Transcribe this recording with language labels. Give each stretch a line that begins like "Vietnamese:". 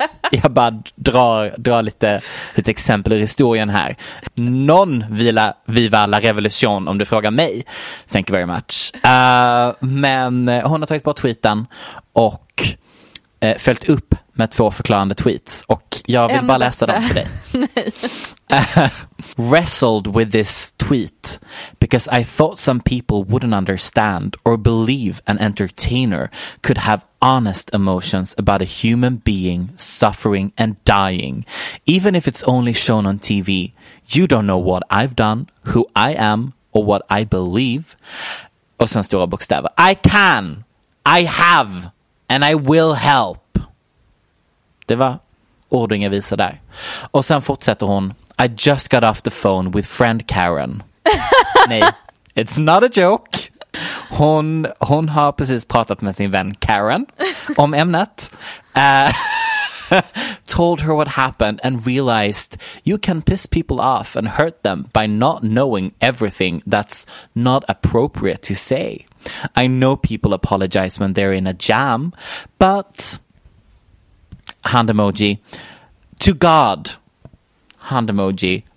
Swedish: Jag bara drar lite exempel ur historien här.
French: Non viva la revolution,
Swedish: om du frågar mig.
English: Thank you very much.
Swedish: Men hon har tagit bort tweeten och följt upp med två förklarande tweets. Och jag vill bara läsa dem för dig.
English: Wrestled with this tweet because I thought some people wouldn't understand or believe an entertainer could have honest emotions about a human being suffering and dying. Even if it's only shown on TV, you don't know what I've done, who I am, or what I believe.
Swedish: Och sen stora bokstäver.
English: I can, I have, and I will help.
Swedish: Det var ordning jag visade där. Och sen fortsätter hon.
English: I just got off the phone with friend Karen. Nej, it's not a joke.
Swedish: Hon har precis pratat med sin vän Karen om ämnet.
English: told her what happened and realized you can piss people off and hurt them by not knowing everything that's not appropriate to say. I know people apologize when they're in a jam, but... Hand emoji. To God. Hand emoji.